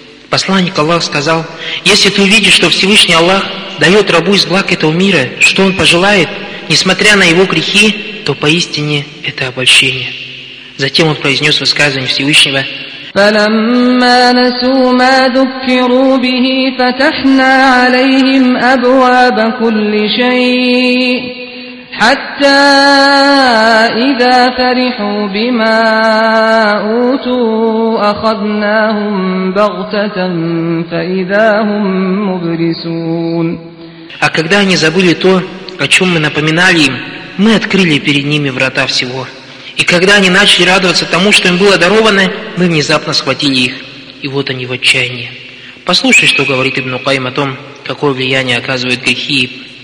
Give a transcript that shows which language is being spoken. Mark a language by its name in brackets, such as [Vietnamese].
[Russian] Посланник Аллах сказал: «Если ты увидишь, что Всевышний Аллах дает рабу из благ этого мира, что он пожелает, несмотря на его грехи, то поистине это обольщение». Затем он произнес высказывание Всевышнего: [Arabic] «Фаламмаа насу ма дуккиру бихи, фатахна алейхим абваба кулли шайи». حتى إذا فرحوا بما أوتوا أخذناهم بغتة فإذا هم مبلسون. [Russian] А когда они забыли то, о чем мы напоминали им, мы открыли перед ними врата всего. И когда они начали радоваться тому, что им было даровано, мы внезапно схватили их. И вот они в отчаянии. Послушай, что говорит Ибн Кайм о том, какое влияние оказывают грехи.